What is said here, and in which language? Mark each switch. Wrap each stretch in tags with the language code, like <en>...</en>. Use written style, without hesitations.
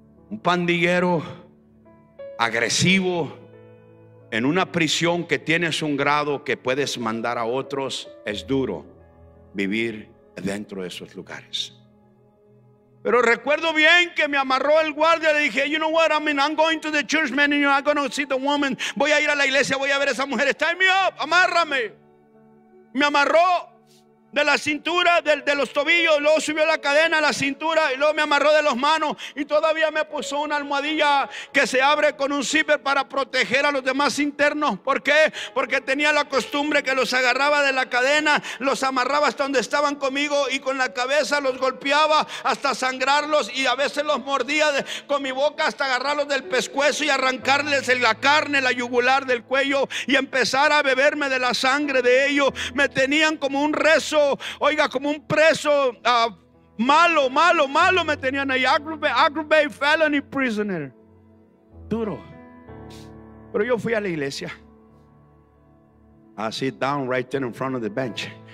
<es>Un pandillero agresivo. En una prisión que tienes un grado que puedes mandar a otros, es duro vivir dentro de esos lugares. Pero recuerdo bien que me amarró el guardia. Le dije:</es> <en>you know what, I'm going to the church, man, and I'm going to see the woman.</en> <es>Voy a ir a la iglesia, voy a ver a esa mujer.</es> <en>Tie me up,</en> <es>amárrame. Me amarró de la cintura, de los tobillos. Luego subió la cadena a la cintura y luego me amarró de las manos. Y todavía me puso una almohadilla que se abre con un zipper para proteger a los demás internos. ¿Por qué? Porque tenía la costumbre que los agarraba de la cadena, los amarraba hasta donde estaban conmigo y con la cabeza los golpeaba hasta sangrarlos. Y a veces los mordía con mi boca hasta agarrarlos del pescuezo y arrancarles la carne, la yugular del cuello, y empezar a beberme de la sangre de ellos. Me tenían como un rey. Oiga, como un preso malo me tenían ahí,</es> <en>aggravated felony prisoner.</en> <es>duro. Pero yo fui a la iglesia.</es> <en>I sit down right there in front of the bench.</en>